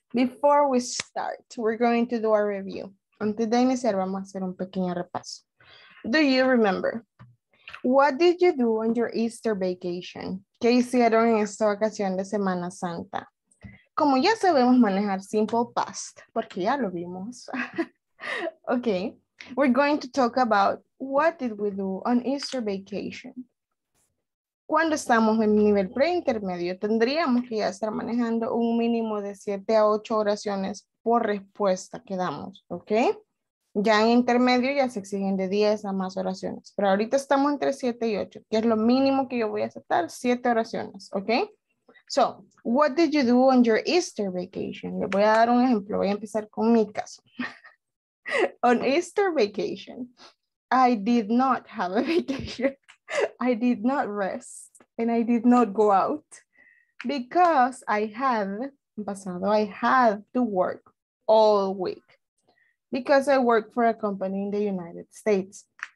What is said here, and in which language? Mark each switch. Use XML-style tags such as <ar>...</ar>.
<en>Before we start, we're going to do a review.</en> <es>Antes de iniciar, vamos a hacer un pequeño repaso.</es> <en>Do you remember? What did you do on your Easter vacation?</en> <es>¿Qué hicieron en esta vacación de Semana Santa? Como ya sabemos manejar simple past, porque ya lo vimos.</es> <en>Okay. We're going to talk about what did we do on Easter vacation.</en> <es>Cuando estamos en nivel preintermedio, tendríamos que ya estar manejando un mínimo de 7 a 8 oraciones por respuesta que damos, ¿ok? Ya en intermedio ya se exigen de 10 a más oraciones, pero ahorita estamos entre 7 y 8, que es lo mínimo que yo voy a aceptar, 7 oraciones, ¿ok?</es> <en>So, what did you do on your Easter vacation?</en> <es>Le voy a dar un ejemplo, voy a empezar con mi caso.</es> <en>On Easter vacation, I did not have a vacation. I did not rest and I did not go out because I had,</en> <es>en pasado,</es> <en>I had to work all week because I work for a company in the United States.</en>